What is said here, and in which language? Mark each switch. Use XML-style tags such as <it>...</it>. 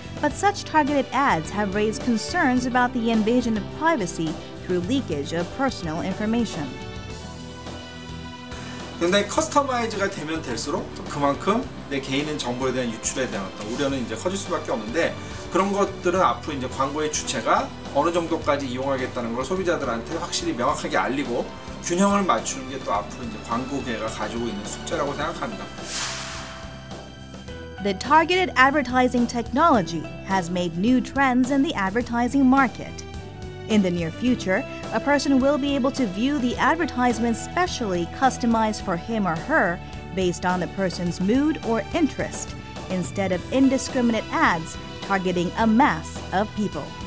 <en>But such targeted ads have raised concerns about the invasion of privacy through leakage of personal information.</en> <ko>굉장히 커스터마이즈가 되면 될수록 그만큼 내 개인의 정보에 대한 유출에 대한 어떤 우려는 이제 커질 수밖에 없는데 그런 것들은 앞으로 이제 광고의 주체가 어느 정도까지 이용하겠다는 걸 소비자들한테 확실히 명확하게 알리고 균형을 맞추는 게 또 앞으로 이제 광고계가 가지고 있는 숙제라고 생각합니다.</ko> <en>The targeted advertising technology has made new trends in the advertising market. In the near future, a person will be able to view the advertisement specially customized for him or her based on the person's mood or interest, instead of indiscriminate ads targeting a mass of people.</en>